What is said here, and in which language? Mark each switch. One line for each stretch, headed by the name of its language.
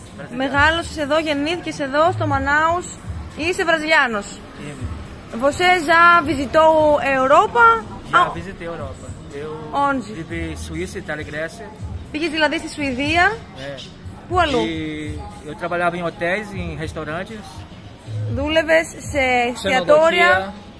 Greek: Μεγάλωσες εδώ, γεννήθηκες εδώ, στο Μανάους. Είσαι Βραζιλιάνος. Είμαι.
Portuguese: Você já visitou a Europa? Já visitei a Europa. Onde? Vivi Suíça, Itália e Grécia.
Greek: Πήγες δηλαδή στη Σουηδία.
Portuguese: É.
Greek: Πού αλλού?
Portuguese: Eu trabalhava em hotéis, em restaurantes.
Greek: Δούλευες σε εστιατόρια.